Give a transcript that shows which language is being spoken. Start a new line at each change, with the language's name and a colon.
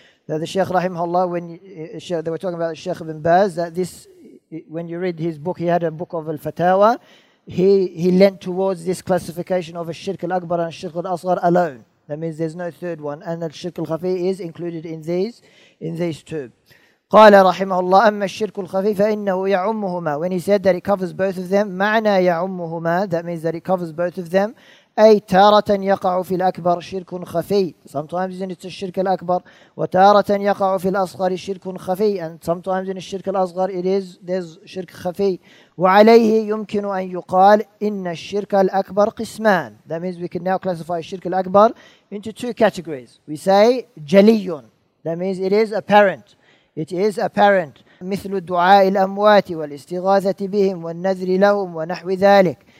English: That the Shaykh رحمه الله, when they were talking about the Shaykh ibn Baz, that this, when you read his book, he had a book of al-fatawa, he leant towards this classification of الشِّرْكِ الْأَكْبَرِ and الشِّرْكِ الْأَصْغَرِ alone. That means there's no third one, and الشِّرْكِ الْخَفِي is included in these two.
Arabic: قال رحمه الله أما الشرك الخفي فإنه يعمهما.
English: When he said that it covers both of them,
Arabic: معنى يعمهما,
English: that means that it covers both of them,
Arabic: أي تارة يقع في الأكبر شرك خفي,
English: sometimes it's a shirk al-akbar,
Arabic: وتارة يقع في الأصغر شرك خفي,
English: and sometimes in الشرك الأصغر there's شرك خفي.
Arabic: وعليه يمكن أن يقال إن الشرك الأكبر قسمان.
English: That means we can now classify الشرك الأكبر into two categories. We say جلي, that means it is apparent. It is apparent.
Arabic: مثل الدعاء الأموات والاستغاثة بهم والنذر لهم ونحو ذلك.